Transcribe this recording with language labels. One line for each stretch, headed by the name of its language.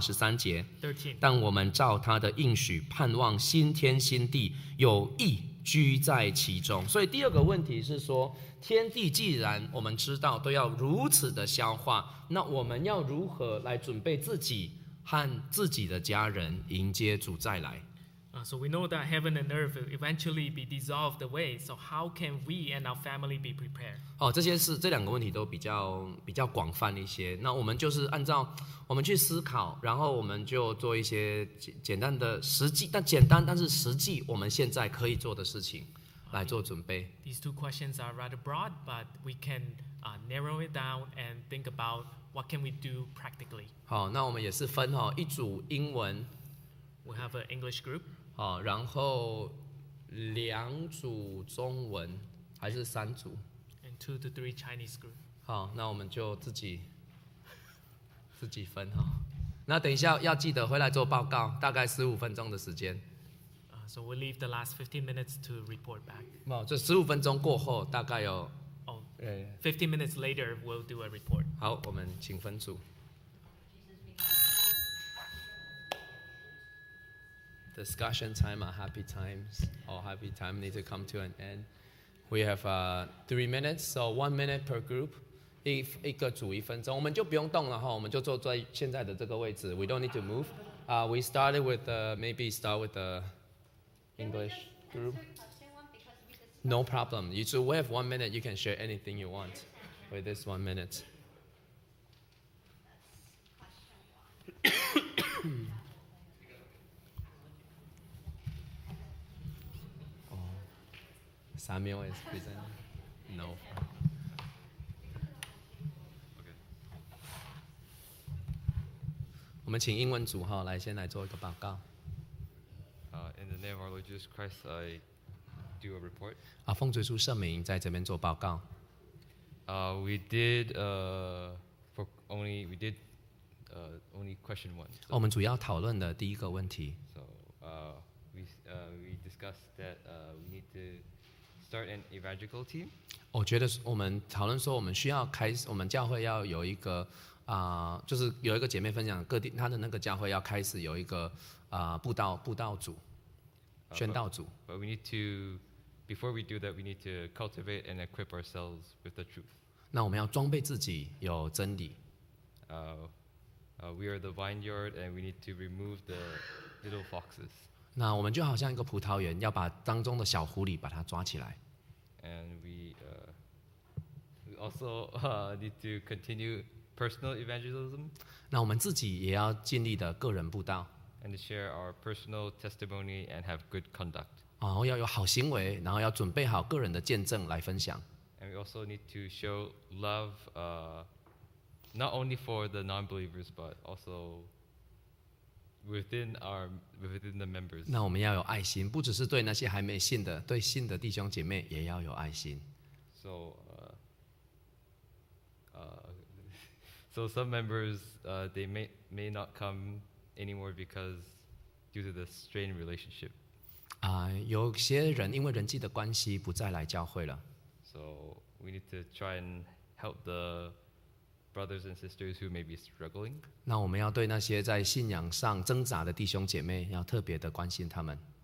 Chinese: 十三节，但我们照他的应许盼望新天新地，有义居在其中。所以第二个问题是说，天地既然我们知道都要如此的消化，那我们要如何来准备自己和自己的家人迎接主再来？
English: So we know that heaven and earth will eventually be dissolved away. So how can we and our family be prepared?
Chinese: 这两个问题都比较广泛一些。那我们就是按照我们去思考，然后我们就做一些简单的实际，但简单但是实际我们现在可以做的事情来做准备。
English: These two questions are rather broad, but we can narrow it down and think about what can we do practically.
Chinese: 那我们也是分一组英文。
English: We have an English group.
Chinese: 然后两组中文还是三组
English: ？And two to three Chinese group.
Chinese: 那我们就自己分哈。那等一下要记得回来做报告，大概十五分钟的时间。
English: So we'll leave the last 15 minutes to report back.
Chinese: 就十五分钟过后，大概有。
English: 15 minutes later, we'll do a report.
Chinese: 好，我们请分组。
English: Discussion time or happy times need to come to an end. We have 3 minutes, so 1 minute per group.
Chinese: 一个组一分钟，我们就不用动了哈，我们就坐在现在的这个位置。
English: We don't need to move. We started with maybe start with the English group. No problem. You two, we have 1 minute. You can share anything you want with this 1 minute. Samuel is present. No. Okay.
Chinese: 我们请英文组哈来先来做一个报告。
English: In the name of our Lord Jesus Christ, I do a report.
Chinese: 啊，奉主耶稣圣名在这边做报告。
English: We did only question one. So,
Chinese: 我们主要讨论的第一个问题。
English: So, we discussed that we need to. Start an evangelical team.
Chinese: 我觉得我们讨论说，我们需要开，我们教会要有一个就是有一个姐妹分享各地她的那个教会要开始有一个布道组、宣道组。
English: But we need to, before we do that, we need to cultivate and equip ourselves with the truth.
Chinese: 那我们要装备自己有真理。
English: We are the vineyard, and we need to remove the little foxes.
Chinese: 那我们就好像一个葡萄园，要把当中的小狐狸把它抓起来。
English: And we also need to continue personal evangelism.
Chinese: 那我们自己也要尽力的个人布道。
English: And to share our personal testimony and have good conduct.
Chinese: 然后要有好行为，然后要准备好个人的见证来分享。
English: And we also need to show love, not only for the non-believers, but also. Within the members.
Chinese: 那我们要有爱心，不只是对那些还没信的，对信的弟兄姐妹也要有爱心。
English: So, so some members, they may not come anymore because due to the strained relationship.
Chinese: 有些人因为人际的关系不再来教会了。
English: So we need to try and help the. Brothers and sisters who may be struggling.
Chinese: 那我们要对那些在信仰上挣扎的弟兄姐妹，要特别的关心他们。